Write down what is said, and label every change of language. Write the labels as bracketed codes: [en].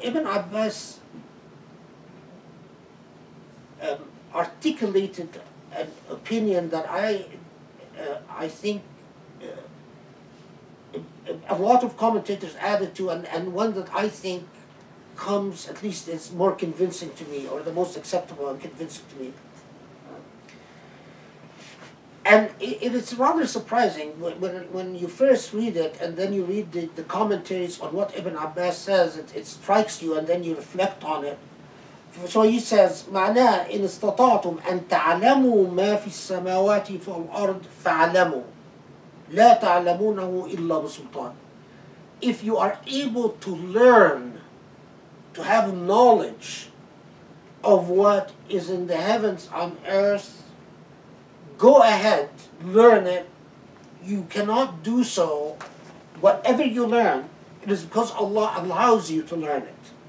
[en] Ibn Abbas articulated an opinion that I think a lot of commentators added to, and one that I think comes, at least is more convincing to me, or the most acceptable and convincing to me. And it's rather surprising when you first read it, and then you read the commentaries on what Ibn Abbas says, it strikes you, and then you reflect on it. So he says, [ar] "معناه إن استطعتم أن تعلموا ما في السماوات والأرض فعلموا لا تعلمونه إلا بسلطان." [en] If you are able to learn, to have knowledge of what is in the heavens on earth, go ahead, learn it. You cannot do so. Whatever you learn, it is because Allah allows you to learn it.